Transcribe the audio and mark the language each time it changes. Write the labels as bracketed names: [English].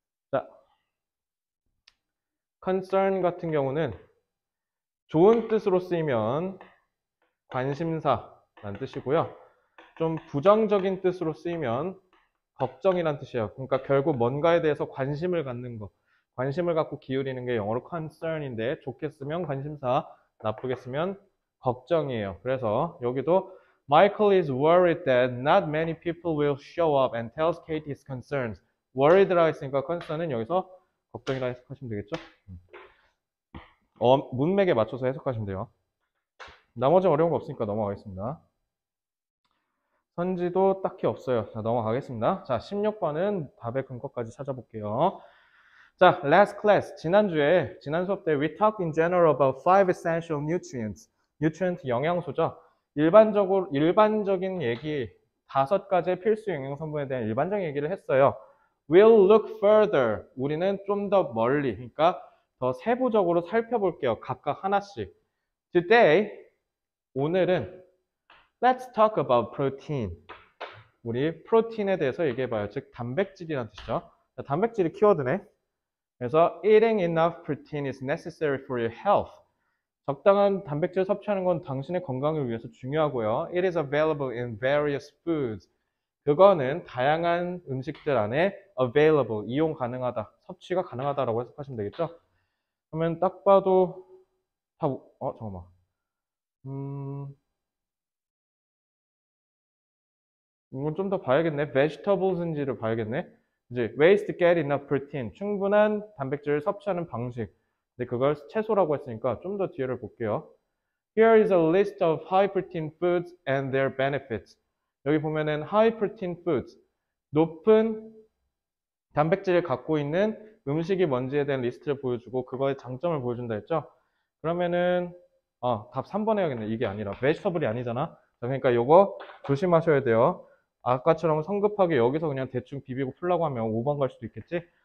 [Korean] 자, concern 같은 경우는 좋은 뜻으로 쓰이면 관심사라는 뜻이고요. 좀 부정적인 뜻으로 쓰이면 걱정이란 뜻이에요. 그러니까 결국 뭔가에 대해서 관심을 갖는 거. 관심을 갖고 기울이는 게 영어로 concern인데, 좋게 쓰면 관심사, 나쁘게 쓰면 걱정이에요. 그래서 여기도 [English] Michael is worried that not many people will show up and tell Kate his concerns. [Korean] worried라고 했으니까 concern은 여기서 걱정이라 해석하시면 되겠죠? 문맥에 맞춰서 해석하시면 돼요. 나머지 어려운 거 없으니까 넘어가겠습니다. 선지도 딱히 없어요. 자, 넘어가겠습니다. 자, 16번은 답의 근거까지 찾아볼게요. [English] 자, last class. [Korean] 지난주에, 지난 수업 때 [English] we talked in general about five essential nutrients. [Korean] nutrient 영양소죠. 일반적인 얘기, 다섯 가지의 필수 영양 성분에 대한 일반적인 얘기를 했어요. [English] We'll look further. [Korean] 우리는 좀더 멀리, 그러니까 더 세부적으로 살펴볼게요. 각각 하나씩. [English] Today, 오늘은 Let's talk about protein. [Korean] 우리 프로틴에 대해서 얘기해봐요. 즉, 단백질이란 뜻이죠. 단백질이 키워드네. [English] 그래서 eating enough protein is necessary for your health. [Korean] 적당한 단백질 섭취하는 건 당신의 건강을 위해서 중요하고요. [English] It is available in various foods. [Korean] 그거는 다양한 음식들 안에 available, 이용 가능하다, 섭취가 가능하다라고 해석하시면 되겠죠. 그러면 딱 봐도 다, 잠깐만. 이건 좀더 봐야겠네. vegetables인지를 봐야겠네. 이제 [English] ways to get enough protein. [Korean] 충분한 단백질을 섭취하는 방식. 근데 그걸 채소라고 했으니까 좀더 뒤를 볼게요. [English] Here is a list of high protein foods and their benefits. [Korean] 여기 보면은 [English] high protein foods. [Korean] 높은 단백질을 갖고 있는 음식이 뭔지에 대한 리스트를 보여주고 그거의 장점을 보여준다 했죠. 그러면은, 답 3번 해야겠네. 이게 아니라. vegetable이 아니잖아. 그러니까 요거 조심하셔야 돼요. 아까처럼 성급하게 여기서 그냥 대충 비비고 풀라고 하면 5번 갈 수도 있겠지?